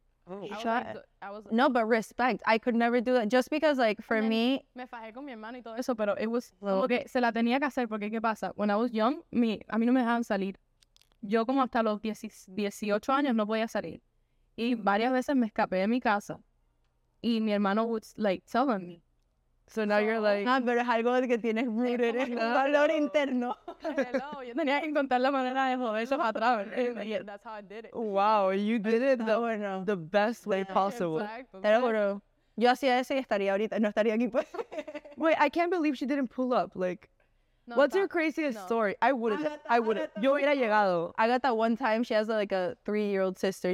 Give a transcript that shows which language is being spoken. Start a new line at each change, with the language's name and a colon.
English: Oh. No, but respect. I could never do that. Just because, like, for me...
Spanish: Me fajé con mi hermano y todo eso, pero
English: it was...
Spanish: Okay, se la tenía que hacer porque, ¿qué pasa?
English: When I was young,
Spanish: a mí no me dejaban salir. Yo como hasta los 18 años no podía salir. Y varias veces me escapé de mi casa.
English: Y mi hermano would, like, tell on me. So now you're like...
Spanish: Ah, pero es algo que tienes rooted en un valor interno. Hello, yo tenía que encontrar la manera de mover eso para atrás.
English: That's how I did it. Wow, you did it the best way possible. Te lo juro. Yo hacía eso y estaría ahorita. No estaría aquí. Wait, I can't believe she didn't pull up, like... No, what's your craziest story? I wouldn't.
Spanish: Yo hubiera llegado.
English: I got that one time. She has a 3-year-old sister.